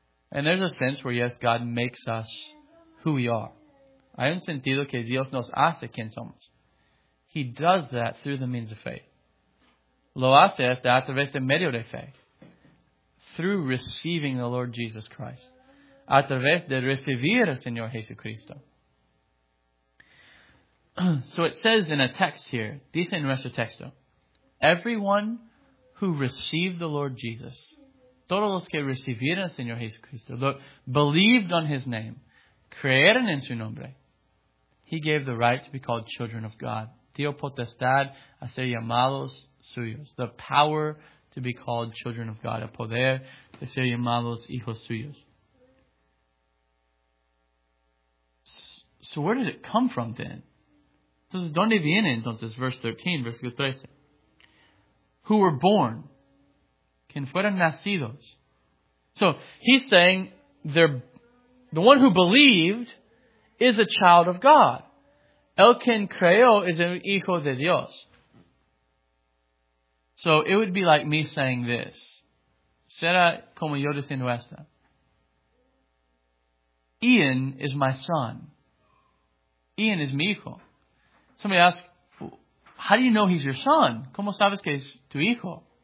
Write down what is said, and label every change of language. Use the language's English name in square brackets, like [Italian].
[English] And there's a sense where, yes, God makes us who we are. [Spanish] Hay un sentido que Dios nos hace quien somos. [English] He does that through the means of faith. [Spanish] Lo hace a través de medio de fe. [English] Through receiving the Lord Jesus Christ. [Spanish] A través de recibir al Señor Jesucristo. [English] So it says in a text here, [Spanish] dice en nuestro texto, [English] everyone who received the Lord Jesus, [Spanish] todos los que recibieron al Señor Jesucristo, [English] believed on his name, [Spanish] creyeron en su nombre, [English] He gave the right to be called children of God. [Spanish] Dio potestad a ser llamados suyos. [English] The power to be called children of God. [Spanish] El poder de ser llamados hijos suyos. [English] So where does it come from then? [Spanish] Entonces, ¿dónde viene entonces? [English] Verse 13, [Spanish] versículo 13. [English] Who were born. [Spanish] Quien fueron nacidos. [English] So, he's saying they're the one who believed is a child of God. [Spanish] El quien creyó is un hijo de Dios. [English] So, it would be like me saying this. [Spanish] Será como yo diciendo esto. [English] Ian is my son. Ian is [Spanish] mi hijo. [English] Somebody asks, how do you know he's your son? [Spanish] ¿Cómo sabes que es tu hijo?